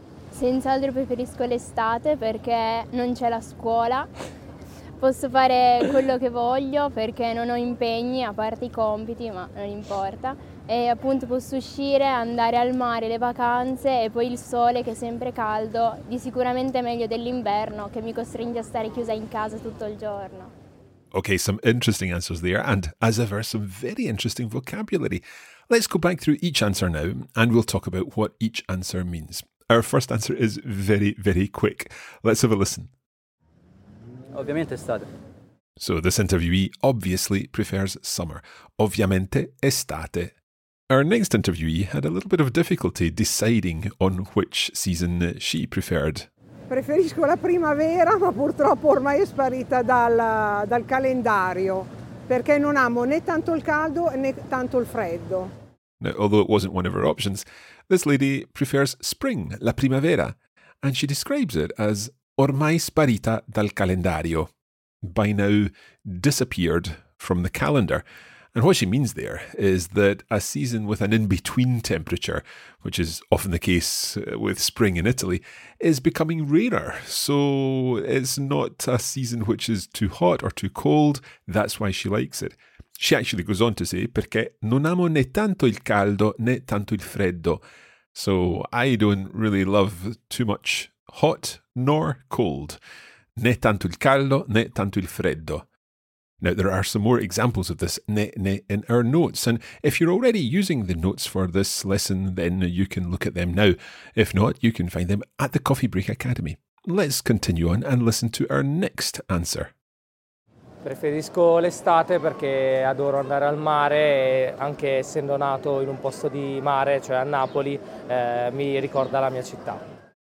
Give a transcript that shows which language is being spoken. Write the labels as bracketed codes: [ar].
[it] Senz'altro preferisco l'estate perché non c'è la scuola, posso fare quello che voglio perché non ho impegni, a parte i compiti, ma non importa. E appunto posso uscire, andare al mare, le vacanze e poi il sole che è sempre caldo, di sicuramente meglio dell'inverno che mi costringe a stare chiusa in casa tutto il giorno. [en] Okay, some interesting answers there and as ever some very interesting vocabulary. Let's go back through each answer now and we'll talk about what each answer means. Our first answer is very, very quick. Let's have a listen. [it] Ovviamente estate. [en] So this interviewee obviously prefers summer. [it] Ovviamente estate. [en] Our next interviewee had a little bit of difficulty deciding on which season she preferred. [it] Preferisco la primavera, ma purtroppo ormai è sparita dal calendario, perché non amo né tanto il caldo né tanto il freddo. [en] Now, although it wasn't one of her options, this lady prefers spring, [it] la primavera, [en] and she describes it as [it] ormai sparita dal calendario, [en] by now disappeared from the calendar. And what she means there is that a season with an in-between temperature, which is often the case with spring in Italy, is becoming rarer. So it's not a season which is too hot or too cold. That's why she likes it. She actually goes on to say, [it] perché non amo né tanto il caldo né tanto il freddo. [en] So I don't really love too much hot nor cold. [it] Né tanto il caldo né tanto il freddo. [en] Now, there are some more examples of this ne in our notes, and if you're already using the notes for this lesson, then you can look at them now. If not, you can find them at the Coffee Break Academy. Let's continue on and listen to our next answer. [it] Preferisco l'estate perché adoro andare al mare e anche essendo nato in un posto di mare, cioè a Napoli, mi ricorda la mia città.